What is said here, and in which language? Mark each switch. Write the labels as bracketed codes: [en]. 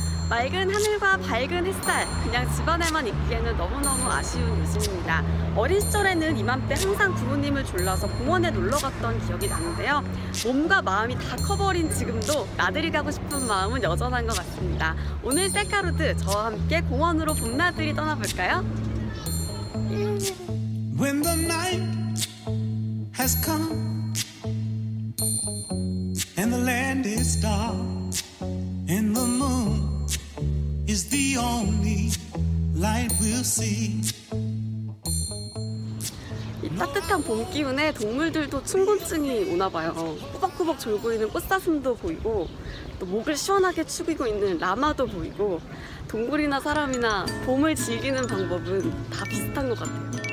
[ko] 맑은 하늘과 밝은 햇살, 그냥 집안에만 있기에는 너무너무 아쉬운 요즘입니다. 어린 시절에는 이맘때 항상 부모님을 졸라서 공원에 놀러갔던 기억이 나는데요. 몸과 마음이 다 커버린 지금도 나들이 가고 싶은 마음은 여전한 것 같습니다. 오늘 셀카로드, 저와 함께 공원으로 봄나들이 떠나볼까요? [en] When the night has come and the land is dark and the moon is the only light we'll see. [ko] 이 따뜻한 봄 기운에 동물들도 충곤증이 오나 봐요. 꾸벅꾸벅 졸고 있는 꽃사슴도 보이고, 또 목을 시원하게 축이고 있는 라마도 보이고, 동물이나 사람이나 봄을 즐기는 방법은 다 비슷한 것 같아요.